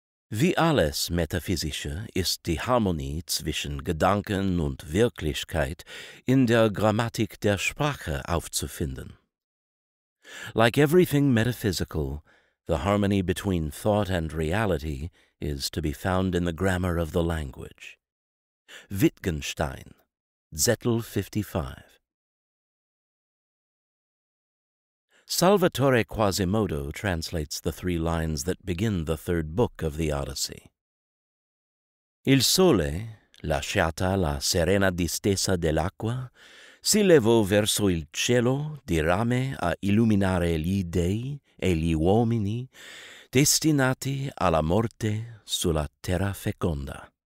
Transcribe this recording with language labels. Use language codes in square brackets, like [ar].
[de] Wie alles Metaphysische ist die Harmonie zwischen Gedanken und Wirklichkeit in der Grammatik der Sprache aufzufinden. [en] Like everything metaphysical, the harmony between thought and reality is to be found in the grammar of the language. Wittgenstein, Zettel 55. Salvatore Quasimodo translates the three lines that begin the third book of the Odyssey. [it] Il sole, lasciata la serena distesa dell'acqua, si levò verso il cielo di rame a illuminare gli dèi e gli uomini destinati alla morte sulla terra feconda.